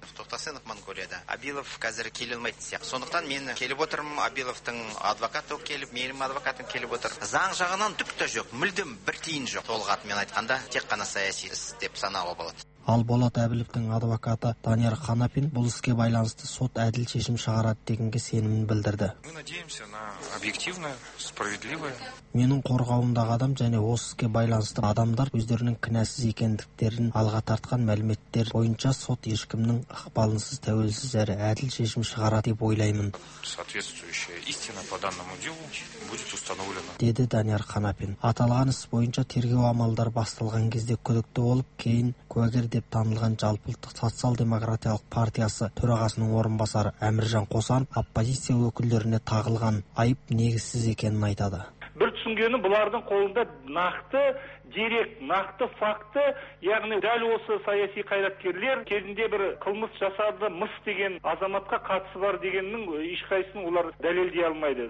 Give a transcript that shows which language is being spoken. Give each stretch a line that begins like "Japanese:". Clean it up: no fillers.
Kazakh: Тоқтасынов Монголияда. Абилов қазір келе алмайды сияқты. Сондықтан мен келіп отырмын. Абиловтың адвокаты келіп, менің адвокатым келіп отыр. Заң жағынан түк те жоқ, мүлдем бір тиін жоқ. Толғат мен айтқанда тек қана саяси іс деп санауға болады. Ал Болат Әбіліктің адвокаты Данияр Қанапин бұл іске байланысты сот әділ шешім шығарады дегенге сенімін білдірді.
Russian: Мы надеемся на объективное, справедливое.
Kazakh: Менің қорғауымдағы адам және осы іске байланысты адамдар өздерінің кінәсіз екендіктерін алға тартқан мәліметтер бойынша сот ешкімнің ықпалынсыз тәуелсіз әрі әділ шешім шығарады деп ойлаймын.
Russian: Соответствующая истина по данному делу будет установлена.
Kazakh: Деді Данияр Қанапин. Аталған іс бойынша тергеу амалдары басталған кезде күдікті болып, кейін куәгер деп танылған Жалпыұлттық социал-демократиялық партиясы төрағасының орынбасары Әміржан Қосанов оппозиция өкілдеріне тағылған айып негізсіз екенін айтады. Бір түсінгені, бұлардың қолында нақты дерек, нақты факты, яғни дәл осы саяси қайраткерлер кезінде бір қылмыс жасады, мыс деген азаматқа қатысы бар дегеннің ешқайсысын олар дәлелдей алмайды.